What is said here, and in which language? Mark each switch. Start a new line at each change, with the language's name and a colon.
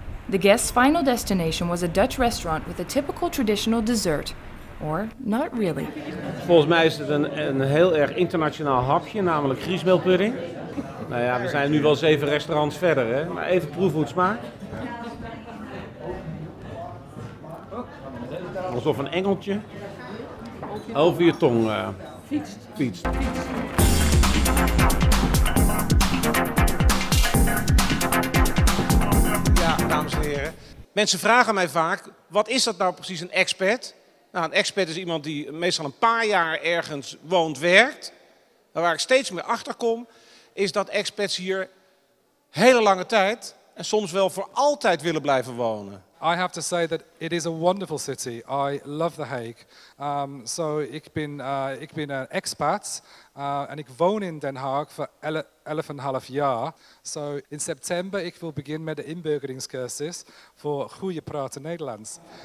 English: The guest's final destination was a Dutch restaurant with a typical traditional dessert. Or not really.
Dutch: Volgens mij is het een heel erg internationaal hapje, namelijk griesmeelpudding. Nou ja, we zijn nu wel 7 restaurants verder, hè? Maar even proeven hoe het smaakt. Alsof een engeltje over je tong fietst. Mensen vragen mij vaak, wat is dat nou precies een expat? Nou, een expat is iemand die meestal een paar jaar ergens woont, werkt. Maar waar ik steeds meer achter kom, is dat expats hier hele lange tijd en soms wel voor altijd willen blijven wonen.
English: I have to say that it is a wonderful city. I love The Hague.
Dutch: So ik ben een expat en ik woon in Den Haag voor 11,5 jaar. So in september ik wil beginnen met de inburgeringscursus voor goede praten Nederlands.